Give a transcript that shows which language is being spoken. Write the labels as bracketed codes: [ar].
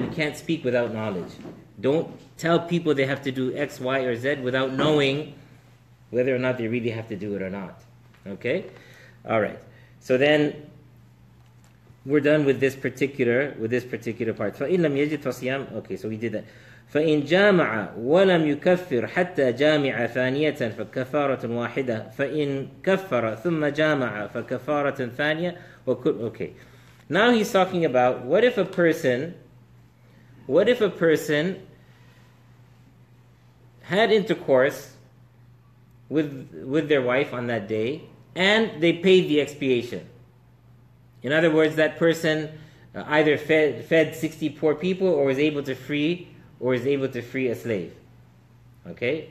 [en] We can't speak without knowledge. Don't tell people they have to do X, Y, or Z without knowing whether or not they really have to do it or not. Okay? All right. So then, we're done with this particular part. [ar] فَإِنْ لَمْ يَجِدْ فَصِيَامُ. [en] Okay, so we did that. [ar] فَإِنْ جَامَعَ وَلَمْ يُكَفِّرْ حَتَّى جَامِعَ ثَانِيَةً فَكَفَارَةٌ وَاحِدَةٌ فَإِنْ كَفَّرَ ثُمَّ جَامَعَ فَكَفَارَةٌ ثَانِيَةٌ. [en] Okay. Now he's talking about, what if a person What if a person had intercourse with their wife on that day and they paid the expiation? In other words, that person either fed 60 poor people or was able to free a slave. Okay?